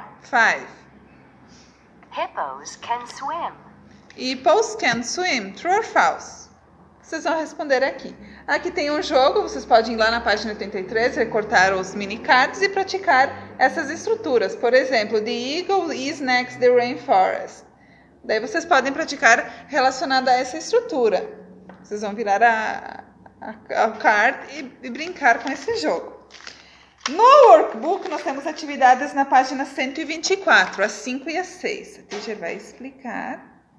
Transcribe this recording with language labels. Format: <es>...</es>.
<en>Five. Hippos can swim. Hippos can swim. True or false?</en> <pt>Vocês vão responder aqui. Aqui tem um jogo, vocês podem ir lá na página 83, recortar os mini cards e praticar essas estruturas. Por exemplo,</pt> <en>the eagle is next to the rainforest.</en> <pt>Daí vocês podem praticar relacionada a essa estrutura. Vocês vão virar a card e brincar com esse jogo. No workbook, nós temos atividades na página 124, as 5 e as 6. A TG vai explicar.</pt>